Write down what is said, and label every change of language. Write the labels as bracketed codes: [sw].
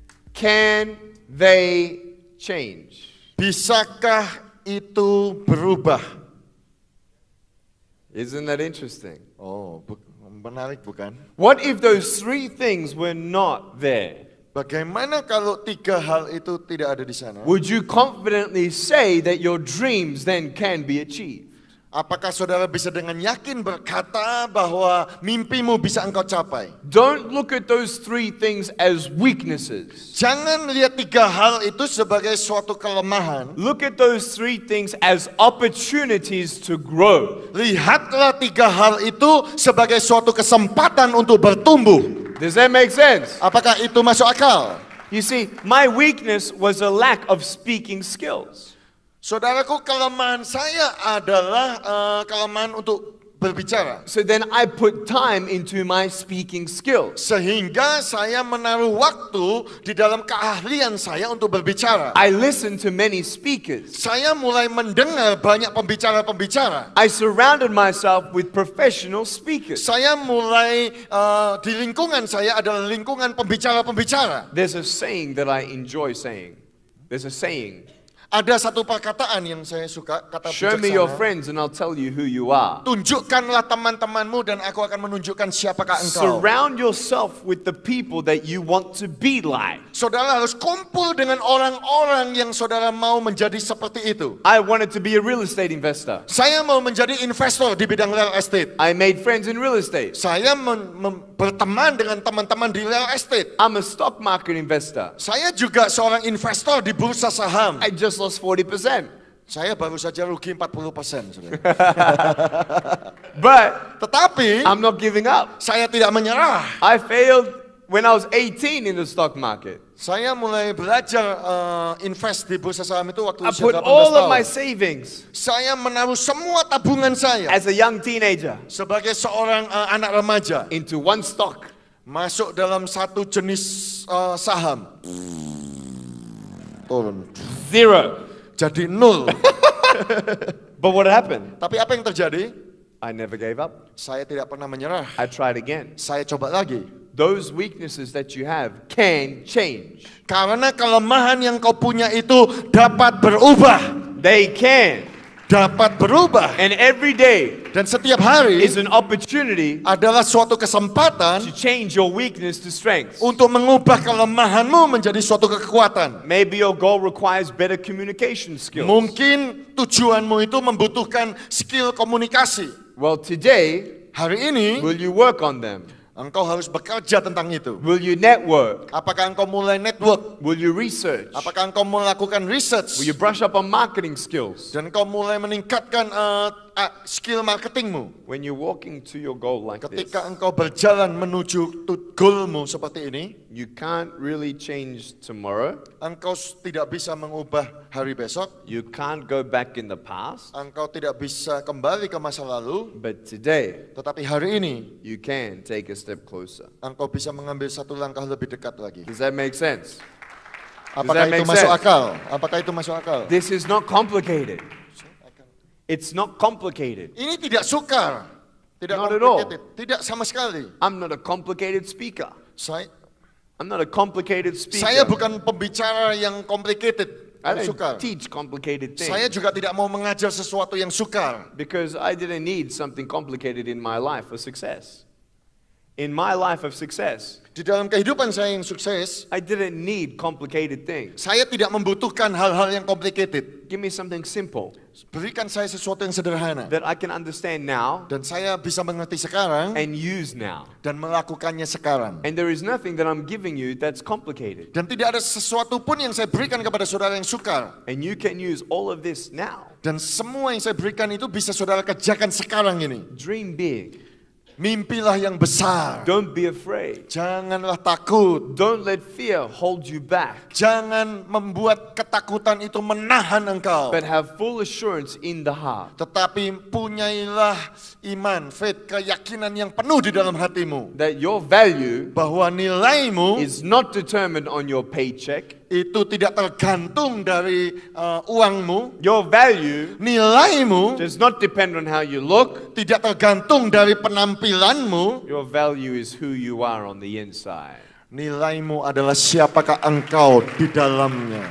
[en] Can they change? [id] Bisakah itu berubah? [en] Isn't that interesting? [id] Oh, menarik bukan? [en] What if those three things were not there? [id] Bagaimana kalau tiga hal itu tidak ada di sana? [en] Would you confidently say that your dreams then can be achieved? [id] Apakah saudara bisa dengan yakin berkata bahwa mimpimu bisa engkau capai? [en] Don't look at those three things as weaknesses. [id] Jangan lihat tiga hal itu sebagai suatu kelemahan. [en] Look at those three things as opportunities to grow. [id] Lihatlah tiga hal itu sebagai suatu kesempatan untuk bertumbuh. [en] Does that make sense? [id] Apakah itu masuk akal? [en] You see, my weakness was a lack of speaking skills. [id] Saudaraku, kelemahan saya adalah kelemahan untuk berbicara. [en] So then I put time into my speaking skill. [id] Sehingga saya menaruh waktu di dalam keahlian saya untuk berbicara. [en] I listen to many speakers. [id] Saya mulai mendengar banyak pembicara-pembicara. [en] I surrounded myself with professional speakers. [id] Saya mulai di lingkungan saya adalah lingkungan pembicara-pembicara. [en] There's a saying that I enjoy saying. There's a saying. [id] Ada satu perkataan yang saya suka, kata bijaksana. [en] Show me your friends and I'll tell you who you are. [id] Tunjukkanlah teman-temanmu dan aku akan menunjukkan siapakah engkau. [en] Surround yourself with the people that you want to be like. [id] Saudara harus kumpul dengan orang-orang yang saudara mau menjadi seperti itu. [en] I wanted to be a real estate investor. [id] Saya mau menjadi investor di bidang real estate. [en] I made friends in real estate. [id] Saya berteman dengan teman-teman di real estate. [en] I'm a stock market investor. [id] Saya juga seorang investor di bursa saham. [en] I just lost 40%. [id] Saya baru saja rugi 40%. [en] But [id] tetapi [en] I'm not giving up. [id] Saya tidak menyerah. [en] I failed when I was 18 in the stock market. [id] Saya mulai belajar invest di bursa saham itu waktu saya 18 [en] I put all of my savings. [id] Saya menaruh semua tabungan saya. [en] As a young teenager. [id] Sebagai seorang anak remaja. [en] Into one stock. [id] Masuk dalam satu jenis saham. Turun. [en] Zero. [id] Jadi nol. [en] But what happened? [id] Tapi apa yang terjadi? [en] I never gave up. [id] Saya tidak pernah menyerah. [en] I tried again. [id] Saya coba lagi. [en] Those weaknesses that you have can change. [id] Karena kelemahan yang kau punya itu dapat berubah. [en] They can. [id] Dapat berubah. [en] And every day. [id] Dan setiap hari [en] is an opportunity. [id] Adalah suatu kesempatan [en] to change your weakness to strength. [id] Untuk mengubah kelemahanmu menjadi suatu kekuatan. [en] Maybe your goal requires better communication skills. [id] Mungkin tujuanmu itu membutuhkan skill komunikasi. [en] Well, today, [id] hari ini, [en] will you work on them? [id] Engkau harus bekerja tentang itu. [en] Will you network? [id] Apakah engkau mulai network? [en] Will you research? [id] Apakah engkau melakukan research? [en] Will you brush up on marketing skills? [id] Dan engkau mulai meningkatkan skill marketingmu. [en] When you're walking to your goal like [id] ketika [en] this. [id] Ketika engkau berjalan menuju goalmu seperti ini. [en] You can't really change tomorrow. [id] Engkau tidak bisa mengubah hari besok. [en] You can't go back in the past. [id] Engkau tidak bisa kembali ke masa lalu. [en] But today. [id] Tetapi hari ini. [en] You can take a step closer. [id] Engkau bisa mengambil satu langkah lebih dekat lagi. [en] Does that make sense? [id] Apakah itu masuk akal? Apakah itu masuk akal? [en] This is not complicated. It's not complicated. [id] Ini tidak sukar. Tidak [en] not at all. [id] Tidak sama sekali. [en] I'm not a complicated speaker. [id] Saya, [en] I'm not a complicated speaker. [id] Saya bukan pembicara yang complicated. [en] I don't teach complicated things. [id] Saya juga tidak mau mengajar sesuatu yang sukar. [en] Because I didn't need something complicated in my life for success. In my life of success. [id] Di dalam kehidupan saya yang sukses, [en] I didn't need complicated things. [id] Saya tidak membutuhkan hal-hal yang complicated. [en] Give me something simple. [id] Berikan saya sesuatu yang sederhana. [en] That I can understand now. [id] Dan saya bisa mengerti sekarang. [en] And use now. [id] Dan melakukannya sekarang. [en] And there is nothing that I'm giving you that's complicated. [id] Dan tidak ada sesuatu pun yang saya berikan kepada saudara yang sukar. [en] And you can use all of this now. [id] Dan semua yang saya berikan itu bisa saudara kerjakan sekarang ini. [en] Dream big. [id] Mimpilah yang besar. [en] Don't be afraid. [id] Janganlah takut. [en] Don't let fear hold you back. [id] Jangan membuat ketakutan itu menahan engkau. [en] But have full assurance in the heart. [id] Tetapi punyailah iman, faith, keyakinan yang penuh di dalam hatimu. [en] That your value, [id] bahwa nilaimu, [en] is not determined on your paycheck. [id] Itu tidak tergantung dari uangmu. [en] Your value, [id] nilaimu, [en] does not depend on how you look. [id] Tidak tergantung dari penampilanmu. [en] Your value is who you are on the inside. [id] Nilaimu adalah siapakah engkau di dalamnya.